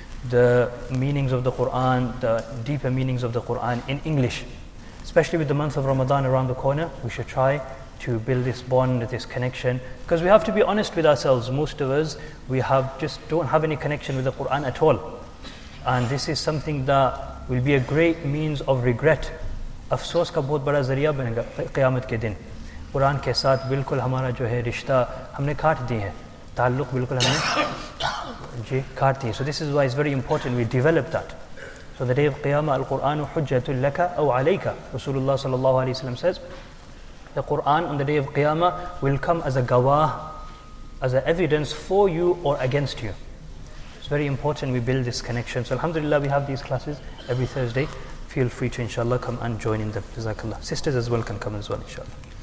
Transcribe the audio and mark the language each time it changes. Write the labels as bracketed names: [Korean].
[English] The meanings of the Qur'an, the deeper meanings of the Qur'an in English. Especially with the month of Ramadan around the corner, we should try to build this bond, this connection. Because we have to be honest with ourselves. Most of us, we have just don't have any connection with the Qur'an at all. And this is something that will be a great means of regret. [Urdu] افسوس کا بہت بڑا ذریعہ بنے گا قیامت کے دن. قرآن کے ساتھ بالکل ہمارا جو ہے رشتہ ہم نے کاٹ دی ہے, تعلق بالکل ہم نے جی کاٹ دی ہے. سو دس is why is very important we develop that. [English] so the day of قیامہ [Arabic] القرآن حجت لک او علیک, [English] رسول اللہ صلی اللہ علیہ وسلم says the Quran on the day of قیامہ ول کم ایز اے گواہ, as a evidence for you or against you. It's very important we build this connection. So alhamdulillah, we have these classes every Thursday. Feel free to inshallah come and join in them. Jazakallah. Sisters as well can come as well, inshallah.